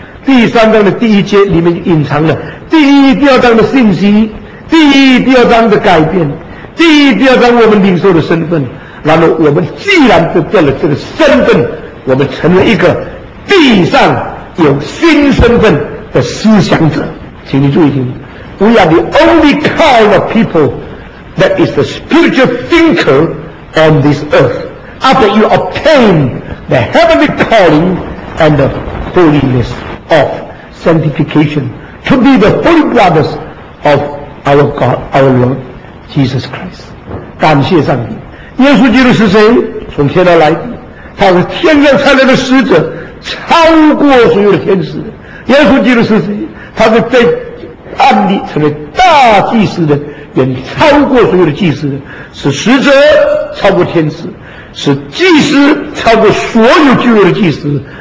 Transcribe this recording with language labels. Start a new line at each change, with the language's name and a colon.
Chinese: 第三章的第一节里面隐藏了第一第二章的信息，第一第二章的改变，第一第二章我们领受的身份。然后我们既然得到了这个身份，我们成为一个地上有新身份的思想者。请你注意听，
English: We are the only kind of peopleThat is the spiritual thinker on this earth. After you obtain the heavenly calling and the holiness of sanctification, to be the holy brothers of our God, our Lord Jesus Christ.
Chinese: 感谢上帝。耶稣基督是谁？从天而来的，他是天上差来的使者，超过所有的天使。耶稣基督是谁？他是被按立成为大祭司的远超过所有的祭司，使使者超过天使，使祭司超过所有居住的祭司。